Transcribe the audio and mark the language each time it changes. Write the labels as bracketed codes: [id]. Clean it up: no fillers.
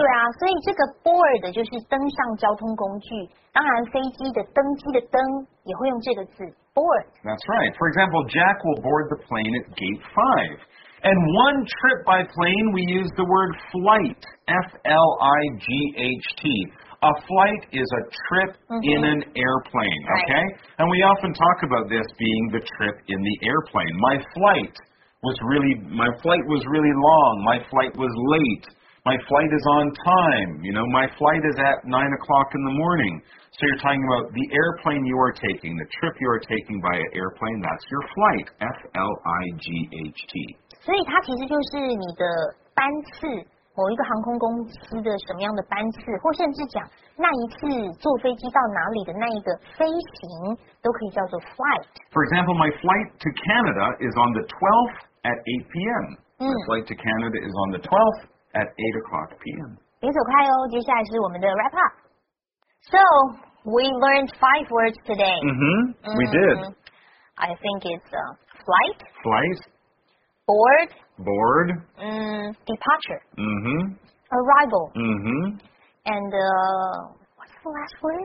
[zh] 对啊，所以这个 board 就是登上交通工具。当然飞机的登机的登也会用这个字 board. [en] That's right. For example, Jack will board the plane at gate 5. And one trip by plane, we use the word flight, F-L-I-G-H-T. A flight is a trip、in an airplane, okay?、 Right. And we often talk about this being the trip in the airplane. My flight was really long. My flight was late. My flight is on time. You know, my flight is at 9 o'clock in the morning. So you're talking about the airplane you are taking, the trip you are taking by an airplane, that's your flight, F-L-I-G-H-T. [zh] 所以它其实就是你的班次。某一个航空公司的什么样的班次，或甚至讲那一次坐飞机到哪里的那一个飞行，都可以叫做 flight. [en] For example, my flight to Canada is on the 12th at 8 p.m.、My flight to Canada is on the 12th at 8 o'clock p.m. [zh] 别走开哦，接下来是我们的 wrap up. [en] So, we learned 5 words today. We did. I think it's flight. Flight. Board. Board. Departure. Arrival. And what's the last word?